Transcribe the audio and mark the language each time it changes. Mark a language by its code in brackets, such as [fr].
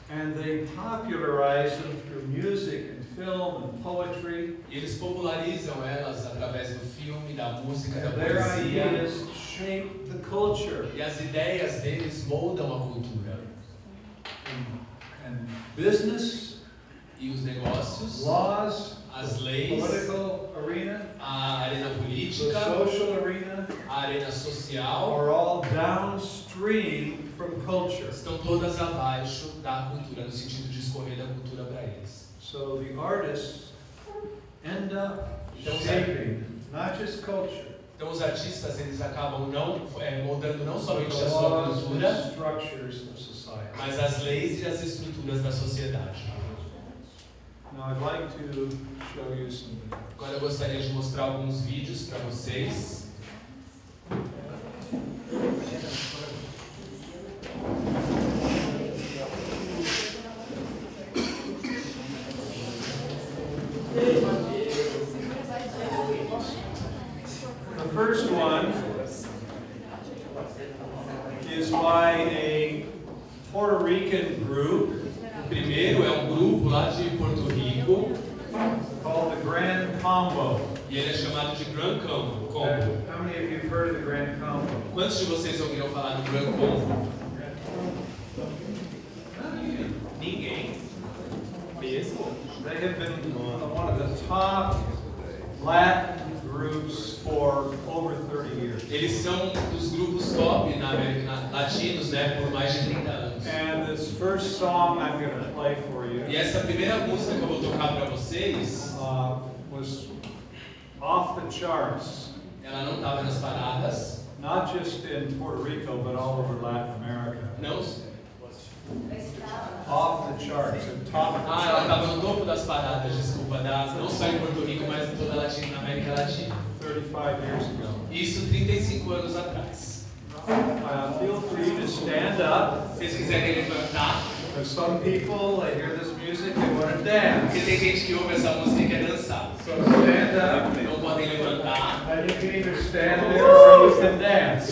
[en] and they popularize them through music and film and poetry. [pt] Eles popularizam elas através do filme, da música, da poesia. [en] Shape the culture. [pt] E as ideias deles moldam a cultura. [en] And business, [pt] e os negócios, [en] laws, [pt] as leis, [en] political arena, [pt] a arena política, [en] the social arena, [pt] a arena social, [en] are all downstream from culture. [pt] Estão todas abaixo da cultura, no sentido de escorrer da cultura para eles. [en] So the artists end up shaping, not just culture. [pt] Então os artistas eles acabam moldando não somente a sua cultura, [en] structures of society, [pt] mas as leis e as estruturas da sociedade. [en] Now I'd like to show you some. [pt] Agora eu gostaria de mostrar alguns vídeos para vocês. [en] The first one is by a Puerto Rican group. [pt] O primeiro é um grupo lá de Porto Rico, [en] called the Grand Combo. [pt] E ele é chamado de Grand Combo. [en] How many of you have heard of the Grand Combo? [pt] Quantos de vocês ouviram falar do Grand Combo? Ninguém. Mesmo. [en] They have been one of the top Latin groups for over 30 years. [pt] Eles são dos grupos top na América Latina, né, por mais de 30 anos. [en] And this first song I'm going to play for you. [pt] E essa primeira música que eu vou tocar para vocês [en] was off the charts. [pt] Ela não estava nas paradas. [en] Not just in Puerto Rico, but all over Latin America. [pt] Não. [en] Off the charts, top of the charts. [pt] Ela estava no topo das paradas, desculpa, não só em Porto Rico, mas em toda a Latina, na América Latina. [en] 35 years ago. [pt] Isso 35 anos atrás. [en] Feel free to stand up. [pt] Se vocês quiserem levantar. [en] There's some people that hear this music and want to dance. [pt] Porque tem gente que ouve essa música e quer dançar. [en] So stand up. [pt] Não podem levantar. [en] And you can either stand there or you can dance.